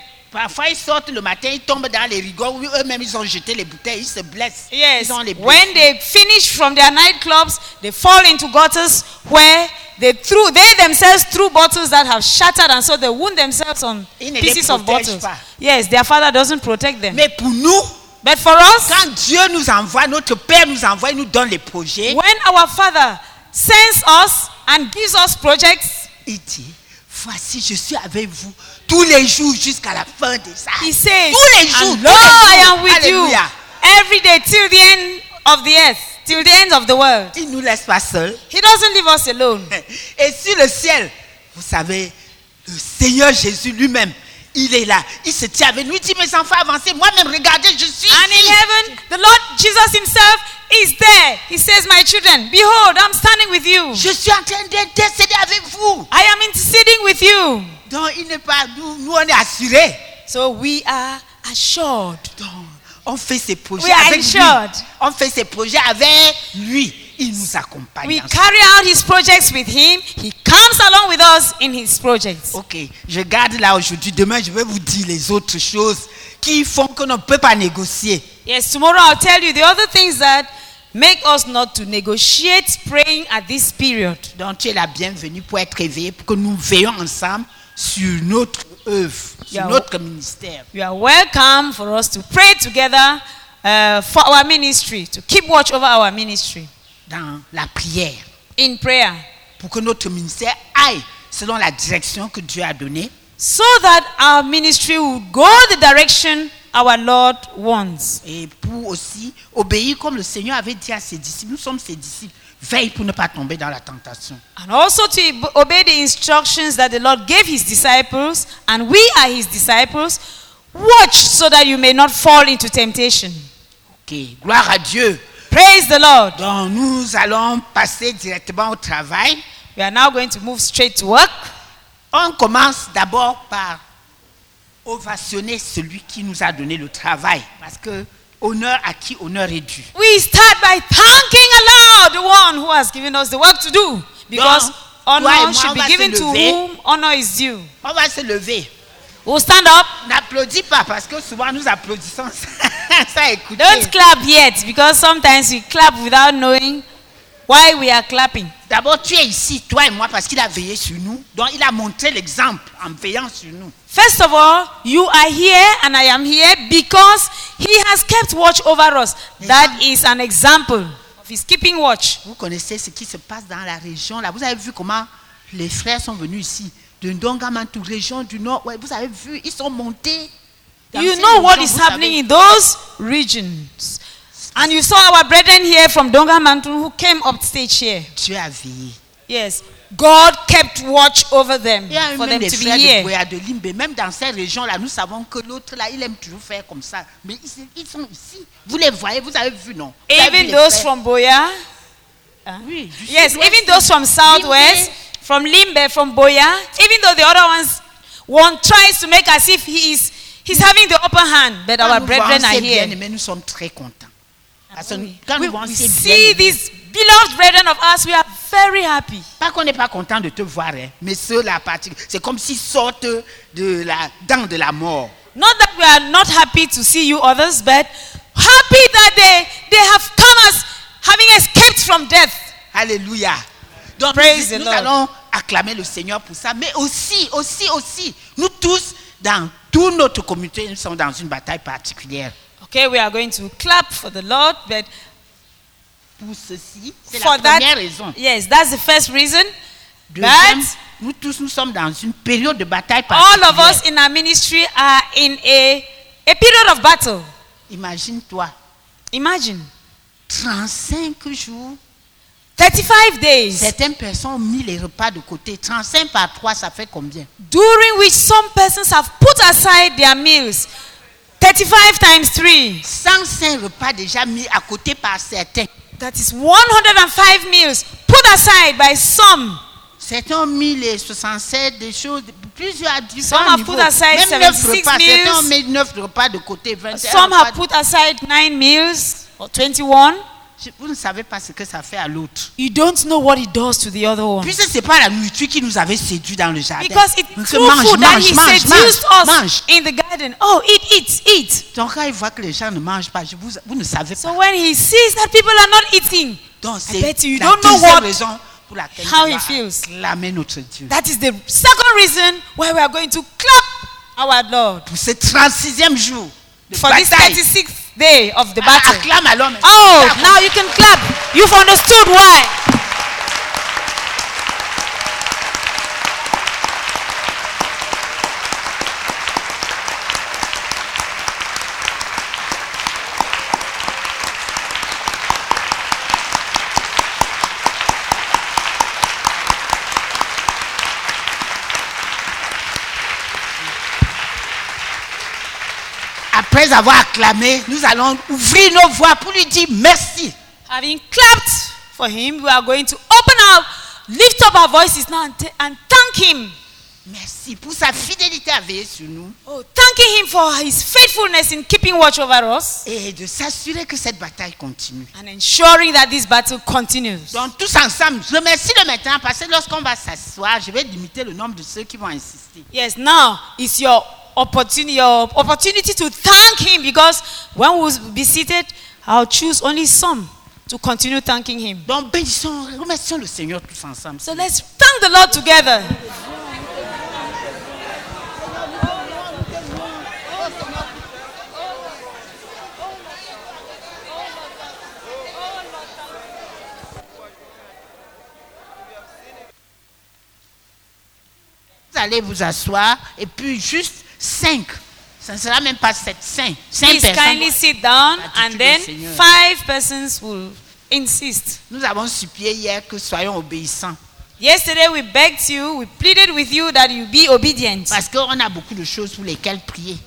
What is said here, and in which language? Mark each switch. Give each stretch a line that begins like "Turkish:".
French: parfois ils sortent le matin, ils tombent dans les rigoles, oui, eux-mêmes ils ont jeté les bouteilles, ils se blessent.
English: Yes.
French: Ils ont les blessés.
English: When they finish from their nightclubs, they fall into gutters where they themselves threw bottles that have shattered and so they wound themselves on pieces of bottles.
French: Pas.
English: Yes, their father doesn't protect them.
French: Mais pour nous,
English: but for us,
French: quand Dieu nous envoie, notre père nous envoie, il nous donne les projets.
English: When our father sends us and gives us projects.
French: Il dit, voici, je suis avec vous tous les jours jusqu'à la fin de ça.
English: He says,
French: tous les jours,
English: and Lord,
French: tous les jours.
English: I am with Alleluia. You every day till the end of the earth, till the end of the world.
French: Il nous laisse pas seul.
English: He doesn't leave us alone.
French: Et sur le ciel, vous savez, le Seigneur Jésus lui-même, il est là. Il se tient avec nous. Il dit, mes enfants, avancez. Moi-même, regardez, je suis
English: and in heaven, the Lord Jesus himself is there. He says, my children, behold, I'm standing with you.
French: Je suis en train d'intercéder avec vous.
English: I am interceding with you.
French: Donc, il n'est pas, nous, on est assurés.
English: So, we are assured.
French: Donc, on fait ses projets
English: we are
French: avec
English: assured.
French: Lui. On fait ses projets avec lui. Il nous accompagne.
English: We carry out his projects with him. He comes along with us in his projects.
French: Ok, je garde là aujourd'hui. Demain, je vais vous dire les autres choses qui font que l'on ne peut pas négocier.
English: Yes, tomorrow I'll tell you the other things that make us not to negotiate praying at this period.
French: Donc, tu es la bienvenue pour être éveillé, pour que nous veillons ensemble sur notre œuvre, sur notre ministère.
English: You are welcome for us to pray together for our ministry, to keep watch over our ministry.
French: Dans la prière.
English: In prayer.
French: Pour que notre ministère aille selon la direction que Dieu a donnée.
English: So that our ministry would go the direction our Lord wants.
French: Et pour aussi obéir comme le Seigneur avait dit à ses disciples. Nous sommes ses disciples. Veille pour ne pas tomber dans la tentation.
English: And also to obey the instructions that the Lord gave his disciples. And we are his disciples. Watch so that you may not fall into temptation.
French: Ok. Gloire à Dieu.
English: Praise the Lord.
French: Donc nous allons passer directement au travail.
English: We are now going to move straight to work.
French: On commence d'abord par ovationner celui qui nous a donné le travail. Parce que honneur à qui honneur est dû.
English: We start by thanking Allah, the one who has given us the work to do. Because
French: donc,
English: honor should be given to whom honor is due.
French: On va se lever.
English: We'll stand up.
French: N'applaudis pas parce que souvent nous applaudissons. Ça, écoutez.
English: Don't clap yet because sometimes we clap without knowing why we are clapping.
French: D'abord, tu es ici, toi et moi, parce qu'il a veillé sur nous. Donc, il a montré l'exemple en veillant sur nous.
English: First of all, you are here and I am here because he has kept watch over us. That is an example of He's keeping watch.
French: Vous connaissez ce qui se passe dans la région là. Vous avez vu comment les frères sont venus ici de Ndongamantou, région du Nord. Ouais, vous avez vu, ils sont montés.
English: You know what is happening in those regions. And you saw our brethren here from Ndongamantou who came up stage here.
French: Dieu a veillé.
English: Yes. God kept watch over them for them to be here.
French: De Bouéa, de Limbe, même dans ces régions là, nous savons que l'autre là, il aime toujours faire comme ça. Mais ils sont ici. Vous les voyez, vous avez vu, non?
English: Even those from Bouéa?
French: Oui.
English: Yes, even those from Southwest, Limbe. From Limbe, from Bouéa, even though the other ones one tries to make as if he's having the upper hand, but
French: quand
English: our brethren are here.
French: Bien, nous sommes très contents. Parce que
English: we see this beloved brethren of ours, we are very happy.
French: Pas qu'on n'est pas content de te voir, hein, mais ceux-là particulièrement, c'est comme s'ils sortent de la dent de la mort.
English: Not that we are not happy to see you others, but happy that they have come as having escaped from death. Hallelujah. Donc praise the Lord.
French: Nous allons acclamer le Seigneur pour ça, mais aussi, nous tous dans toute notre communauté, nous sommes dans une bataille particulière.
English: Okay, we are going to clap for the Lord, but
French: pour ceci, c'est for la première that, raison.
English: Yes, that's the first reason.
French: Deuxième, nous tous, nous sommes dans une période de bataille particulière.
English: All of us in our ministry are in a period of battle.
French: Imagine-toi.
English: Imagine.
French: 35 jours.
English: 35 days.
French: Certaines personnes ont mis les repas de côté. 35 par 3, ça fait combien?
English: During which some persons have put aside their meals. 35 times 3.
French: 105 repas déjà mis à côté par certains.
English: That is 105 meals put aside by some.
French: Certains ont mis les 67 des choses, plusieurs différents.
English: Some have put aside 76 meals.
French: Certains ont mis 9 repas de côté.
English: Some have put aside 9 meals or 21.
French: Vous ne savez pas ce que ça fait à l'autre.
English: You don't know what it does to the other one.
French: Puisque c'est pas la nourriture qui nous avait séduit dans le jardin.
English: Because it's true food that he seduced us in the garden. Oh, eat.
French: Donc quand il voit que les gens ne mangent pas, vous ne savez pas.
English: So when he sees that people are not eating,
French: donc c'est
English: I bet you
French: la
English: don't know
French: deuxième
English: what,
French: raison pour laquelle
English: how he feels.
French: Clamer notre Dieu.
English: That is the second reason why we are going to clap our Lord.
French: Pour ce 36e jour de
English: for
French: bataille.
English: This 36th day of the battle.
French: Acclame alors.
English: Oh, now you can clap. You've understood why.
French: Après avoir acclamé, nous allons ouvrir nos voix pour lui dire merci.
English: Having clapped for him, we are going to open our, lift up our voices now and thank him.
French: Merci pour sa fidélité à veiller sur nous.
English: Oh, thanking him for his faithfulness in keeping watch over us.
French: Et de s'assurer que cette bataille continue.
English: And ensuring that this battle continues.
French: Donc tous ensemble, je remercie le maintenant parce que lorsqu'on va s'asseoir, je vais limiter le nombre de ceux qui vont insister.
English: Yes, now it's your opportunity to thank him because when we will be seated, I'll choose only some to continue thanking him.
French: Donc bénissons, remercions le Seigneur tous ensemble.
English: So let's thank the Lord together.
French: Vous allez vous asseoir et puis juste 5. Ça ne sera même pas 7, 5.
English: Please kindly sit down and then 5 persons will insist.
French: Nous avons supplié hier que soyons obéissants.
English: Yesterday we begged you, we pleaded with you that you be obedient.
French: Parce qu'on a beaucoup de choses pour lesquelles prier.